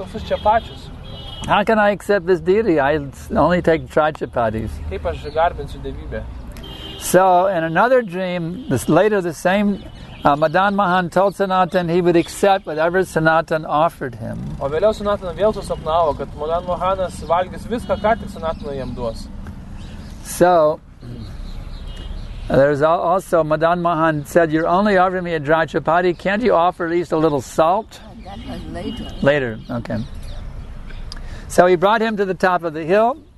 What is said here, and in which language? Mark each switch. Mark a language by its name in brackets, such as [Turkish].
[English] How can I accept this deity? I only take dry chapatis. So, in another dream, Madan Mohan told Sanatan he would accept whatever Sanatan offered him. [Lithuanian] O vėliau Sanatana vėl susapnavo, kad Madan Mohanas valgys viską, ką tik Sanatana jam duos. [English] So, there's also Madan Mohan said, you're only offering me a dry chapati. Can't you offer at least a little salt? That was later. Later, okay. So he brought him to the top of the hill.